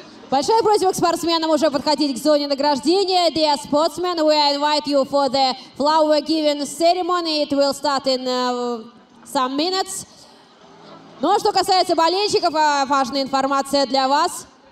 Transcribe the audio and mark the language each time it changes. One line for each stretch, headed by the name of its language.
Russian: Большая просьба к спортсменам уже подходить к зоне награждения.
English: Dear sportsmen, we invite you for the flower giving ceremony. It will start in some minutes.
Russian: Но что касается болельщиков, важная информация для вас.